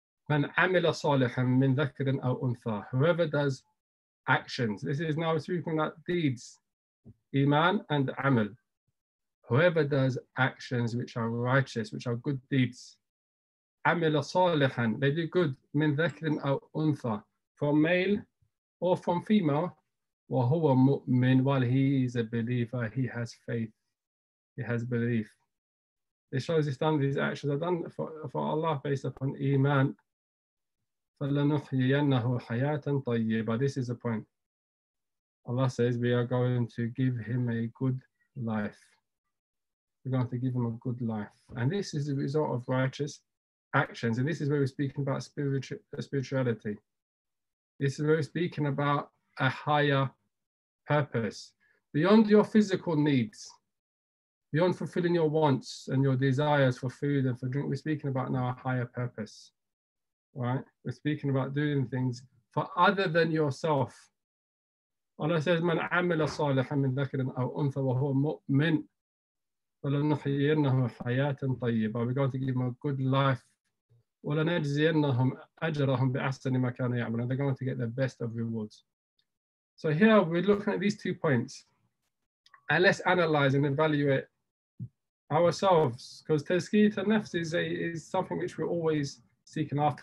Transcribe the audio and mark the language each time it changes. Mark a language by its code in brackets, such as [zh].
[ar] مَنْ عَمِلَ صَالِحًا مِنْ ذَكَرٍ أَوْ أُنْثَ, [en] whoever does actions. This is now speaking about deeds. Iman and Amal. Whoever does actions which are righteous, which are good deeds. [ar] Amal salihan, [en] they do good. [ar] Min dhakrin aw untha, [en] from male or from female. [ar] Wa huwa mu'min, [en] while he is a believer, he has faith. He has belief. It shows he's done these actions, are done for Allah based upon Iman. [ar] فَلَنُحْيِيَنَّهُ حَيَاةً طَيِّبًا. [en] This is the point. Allah says, we are going to give him a good life. We're going to give him a good life. And this is the result of righteous actions. And this is where we're speaking about spirituality. This is where we're speaking about a higher purpose. Beyond your physical needs, beyond fulfilling your wants and your desires for food and for drink, we're speaking about now a higher purpose, right? We're speaking about doing things for other than yourself. Allah says, [ar] مَنْ عَمِلَ صَالِحًا مِنْ ذَكْرٍ أَوْ أُنْثَ وَهُوَ مُؤْمِنٌ فَلَنُحْيِيَنَّهُ حَيَاةً طَيِّبًا, [en] we're going to give him a good life. [ar] وَلَنَجْزِيَنَّهُمْ أَجْرَهُمْ بِأَحْسَنِ مَا كَانُوا يَعْمَلُونَ, [en] they're going to get the best of rewards. So here we're looking at these two points. And let's analyze and evaluate ourselves, because [ar] تَزْكِيَةُ النَّفْسِ [en] is something which we're always seeking after.